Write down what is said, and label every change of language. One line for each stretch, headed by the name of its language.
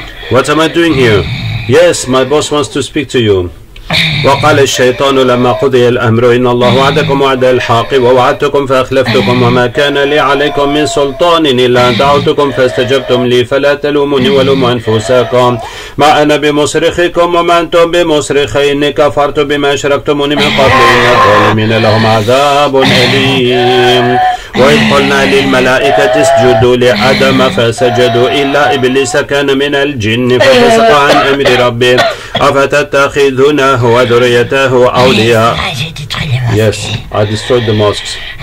English: What am I doing here? Yes, my boss wants to speak to you.
Arabic: وقال الشيطان لما قضي الأمر إن الله وعدكم وعد الحق ووعدتكم فأخلفتكم وما كان لي عليكم من سلطان إلا أن دعوتكم فاستجبتم لي فلا تلوموني ولوموا أنفسكم ما أنا بمصرخكم وما أنتم بمصرخي إني كفرت بما أشركتموني من قبل إن الظالمين لهم عذاب أليم وإذ قلنا للملائكة اسجدوا لآدم فسجدوا إلا إبليس كان من الجن ففسق عن أمر ربه أفتتخذونه وذريته أولياء.
English: Yes, I destroyed the mosques.